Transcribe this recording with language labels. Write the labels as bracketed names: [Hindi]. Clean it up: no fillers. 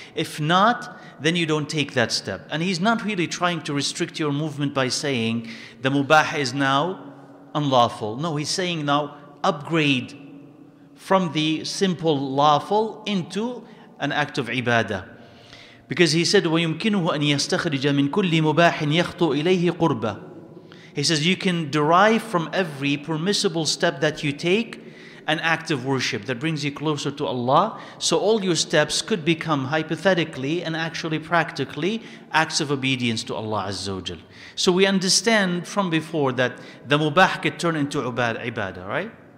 [English] If not, then you don't take that step. And he's not really trying to restrict your movement by saying the mubah is now unlawful. No, he's saying now upgrade from the simple lawful into an act of ibadah. Because he said, [Arabic] وَيُمْكِنُهُ أَنْ يَسْتَخْرِجَ مِنْ كُلِّ مُبَاحٍ يَخْطُو إِلَيْهِ قُرْبَةً. [English] He says, you can derive from every permissible step that you take an act of worship that brings you closer to Allah. So all your steps could become hypothetically and actually practically acts of obedience to Allah Azza wa Jal. So we understand from before that the mubah could turn into ibadah, right?